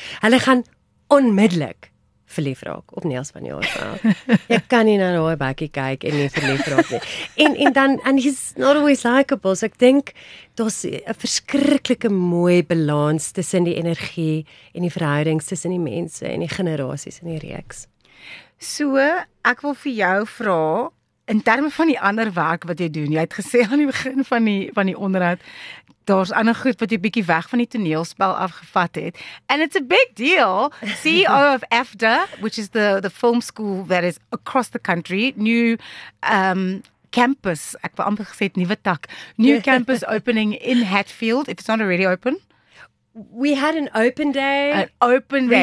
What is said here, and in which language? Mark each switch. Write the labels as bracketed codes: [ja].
[af] Hulle gaan onmiddellik verlief raak op Niels van Jaarsveld. Jy kan nie na daai bakkie kyk en nie verlief raak nie. En dan, [en] and he's not always likeable, [af] so ek dink daar's 'n verskriklike mooi balans tussen die energie en die verhoudings tussen die mense en die generasies in die reeks. So, ek wil vir jou vra, in terme van die ander werk wat jy doen, jy het gesê aan die begin van die onderhoud, daar's ander goed wat jy bietjie weg van die toneelspel afgevat het. [en] And it's a big deal. CEO of AFDA, which is the film school that is across the country, new campus, [af] ek wou amper gesê nuwe tak, [en] new campus opening in Hatfield, if it's not already open. We had an open day. An open day.